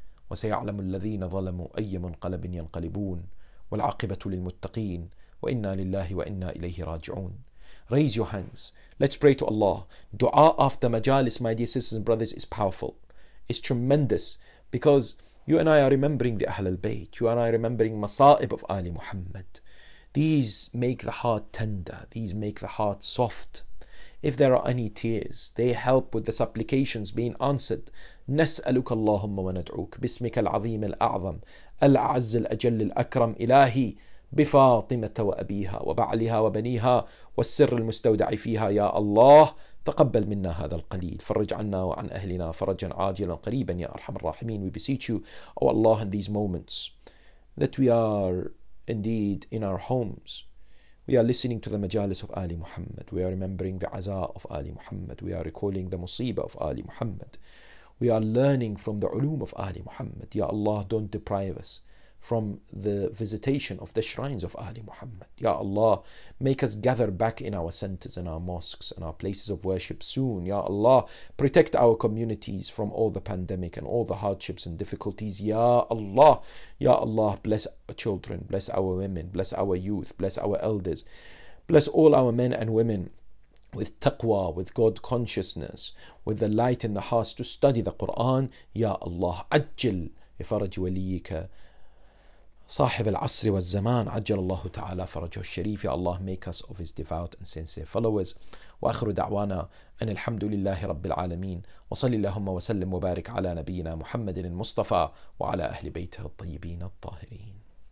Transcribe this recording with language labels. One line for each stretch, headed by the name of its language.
Arabic: وسيعلم الذين ظلموا أي منقلب ينقلبون والعاقبة للمتقين وإنا لله وإنا إليه راجعون.
English: Raise your hands. Let's pray to Allah. Dua after majalis, my dear sisters and brothers, is powerful. It's tremendous because you and I are remembering the Ahlul Bayt. You and I are remembering Masa'ib of Ali Muhammad. These make the heart tender. These make the heart soft. If there are any tears, they help with the supplications being answered.
Arabic: نسألك اللهم وندعوك باسمك العظيم الأعظم الأعز الأجل الأكرم إلهي بفاطمة وأبيها وبعلها وبنيها والسر المستودع فيها يا الله تقبل منا هذا القليل فرج عنا وعن أهلنا فرجا عاجلا قريبا يا أرحم الراحمين.
English: We beseech you, O Allah, in these moments that we are indeed in our homes, we are listening to the majalis of Ali Muhammad, we are remembering the aza of Ali Muhammad, we are recalling the musiba of Ali Muhammad, we are learning from the ulum of Ali Muhammad. Ya Allah, don't deprive us from the visitation of the shrines of Ali Muhammad. Ya Allah, make us gather back in our centers and our mosques and our places of worship soon. Ya Allah, protect our communities from all the pandemic and all the hardships and difficulties. Ya Allah, Ya Allah, bless our children, bless our women, bless our youth, bless our elders, bless all our men and women with taqwa, with God consciousness, with the light in the hearts to study the Quran.
Arabic: Ya Allah, ajjil ifaraj waliyika صاحب العصر والزمان عجل الله تعالى فرجه الشريف.
English: Ya Allah, make us of his devout and sincere followers.
Arabic: وآخر دعوانا أن الحمد لله رب العالمين وصلي اللهم وسلم وبارك على نبينا محمد المصطفى وعلى أهل بيته الطيبين الطاهرين.